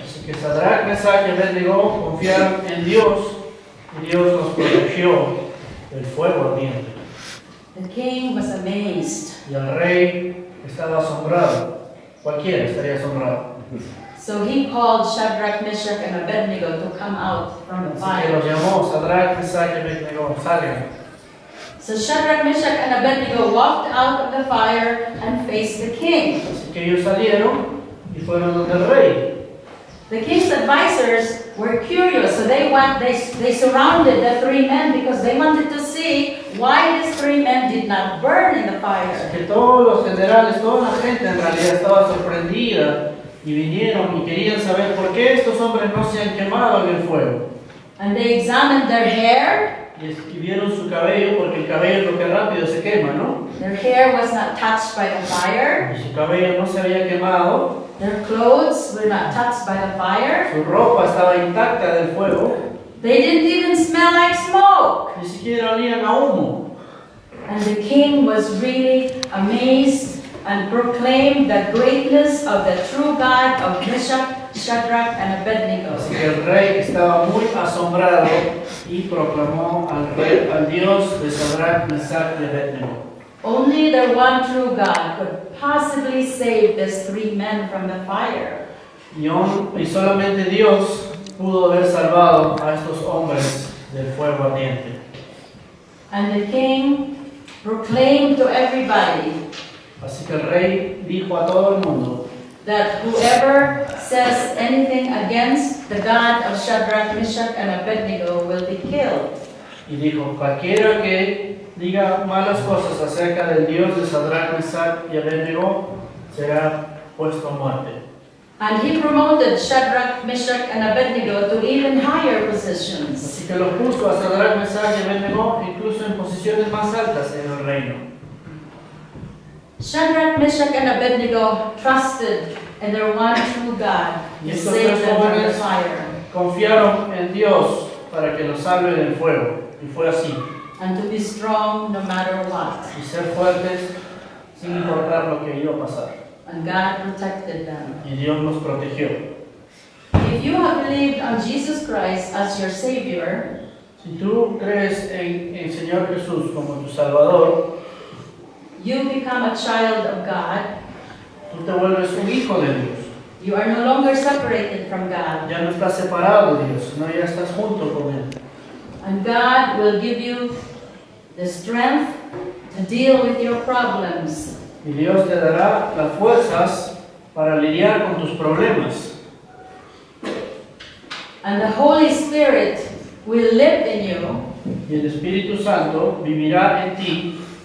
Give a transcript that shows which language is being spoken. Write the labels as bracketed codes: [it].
[es] Así que Shadrach, Meshach, y Abednego confiaron en Dios, y Dios los protegió del fuego ardiente. [en] The king was amazed. [es] Y el rey estaba asombrado. Cualquiera estaría asombrado. [en] So he called Shadrach, Meshach, and Abednego to come out from the fire. [es] Así que los llamó Shadrach, Meshach, y Abednego, salgan. [en] So Shadrach, Meshach, and Abednego walked out of the fire and faced the king. [es] Así que ellos salieron y fueron donde el rey. [en] The king's advisors were curious, so they surrounded the 3 men because they wanted to see why these 3 men did not burn in the fire. [es] Así que todos los generales, toda la gente en realidad estaba sorprendida. Y vinieron y querían saber por qué estos hombres no se han quemado en el fuego. [en] And they examined their hair. [es] Y escribieron su cabello porque el cabello es lo que rápido se quema, ¿no? [en] Their hair was not touched by the fire. [es] Y su cabello no se había quemado. [en] Their clothes were not touched by the fire. [es] Su ropa estaba intacta del fuego. [en] They didn't even smell like smoke. [es] Ni siquiera olían a humo. [en] And the king was really amazed and proclaimed the greatness of the true God of Meshach, Shadrach, and Abednego. [es] Así que el rey estaba muy asombrado y proclamó al rey, al Dios de Shadrach, Meshach, y Abednego. [en] Only the one true God could possibly save these three men from the fire. [es] Y solamente Dios pudo haber salvado a estos hombres del fuego ardiente. [en] And the king proclaimed to everybody. [es] Así que el rey dijo a todo el mundo. [en] That whoever says anything against the God of Shadrach, Meshach, and Abednego will be killed. [es] Y dijo, cualquiera que diga malas cosas acerca del Dios de Shadrach, Meshach, y Abednego será puesto a muerte. [en] And he promoted Shadrach, Meshach, and Abednego to even higher positions. [es] Así que los puso a Shadrach, Meshach, y Abednego incluso en posiciones más altas en el reino. [en] Shadrach, Meshach, and Abednego trusted in their one true God to save them from the fire. [es] Confiaron en Dios para que los salve del fuego, y fue así. [en] And to be strong no matter what. [es] Y ser fuertes sin importar lo que iba a pasar. [en] And God protected them. [es] Y Dios los protegió. [en] If you have believed on Jesus Christ as your Savior, [es] si tú crees en el Señor Jesús como tu Salvador, [en] you become a child of God. [es] Tú te vuelves un hijo de Dios. [en] You are no longer separated from God. [es] Ya no estás separado de Dios, no, ya estás junto con Él. [en] And God will give you the strength to deal with your problems. [es] Y Dios te dará las fuerzas para lidiar con tus problemas. [en] And the Holy Spirit will live in you. [es] Y el Espíritu Santo vivirá en ti.